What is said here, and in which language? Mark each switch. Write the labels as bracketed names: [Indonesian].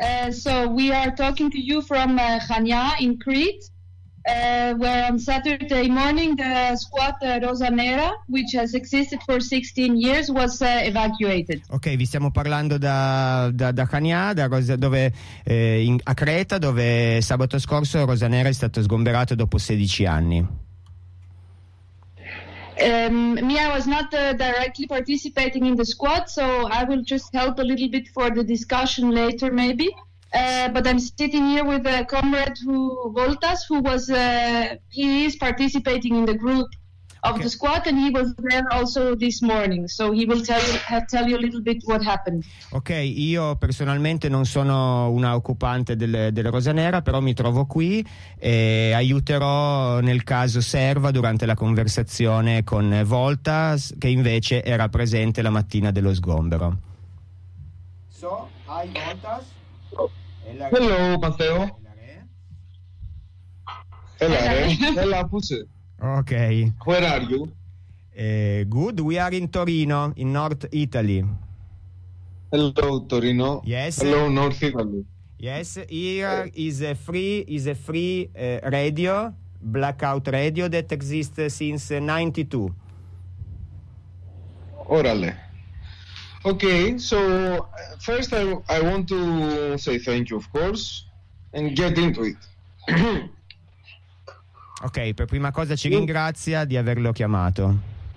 [English] So we are talking to you from Chania in Crete, where on Saturday morning the squad Rosa Nera, which has existed for 16 years, was evacuated. [Italian] Ok, vi stiamo parlando da Chania, a Creta, dove sabato scorso Rosa Nera è stato sgomberato dopo 16 anni. [English] Mia was not directly participating in the squad, so I will just help a little bit for the discussion later, maybe. But I'm sitting here with a comrade who Voltas, who was he is participating in the group of okay. The squad, and he was there also this morning. So he will tell you a little bit what happened. [Italian] Okay, io personalmente non sono una occupante del Rosa Nera, però mi trovo qui e aiuterò nel caso serva durante la conversazione con Voltas, che invece era presente la mattina dello sgombero. [English] So, hi Voltas. Hello, Matteo. Hello, hello, Puce. Okay. Where are you? Good. We are in Torino, in North Italy. Hello, Torino. Yes. Hello, North Italy. Yes. Here is a free radio, blackout radio that exists since 92. Orale. Okay, so first I want to say thank you, of course, and get into it. [Italian] Ok, per prima cosa ci ringrazia di averlo chiamato.